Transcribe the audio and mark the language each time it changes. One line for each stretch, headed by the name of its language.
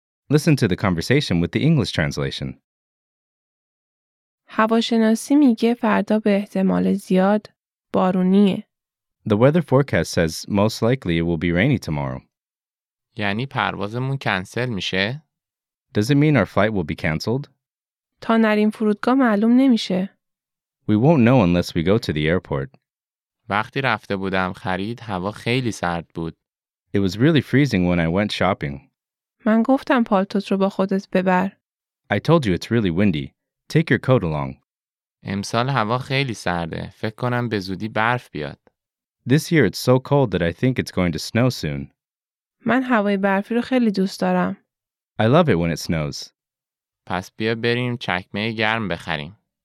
English: Listen to the conversation with the English translation.
Persian: هواشناسی میگه فردا به احتمال زیاد بارونیه.
English: The weather forecast says most likely it will be rainy tomorrow.
Persian: یعنی پروازمون کنسل میشه؟
English: Does it mean our flight will be canceled?
Persian: تا نریم فرودگاه معلوم نمیشه.
English: We won't know unless we go to the airport.
Persian: وقتی رفته بودم خرید هوا خیلی سرد بود.
English: It was really freezing when I went shopping.
Persian: من گفتم پالتوت رو با خودت ببر.
English: I told you it's really windy. Take your coat along.
Persian: امسال هوا خیلی سرده. فکر کنم به زودی برف بیاد.
English: This year it's so cold that I think it's going to snow soon.
Persian: من هوای برفی رو خیلی دوست دارم.
English: I love it when it snows.
Persian: پس بیا بریم چکمه گرم بخریم.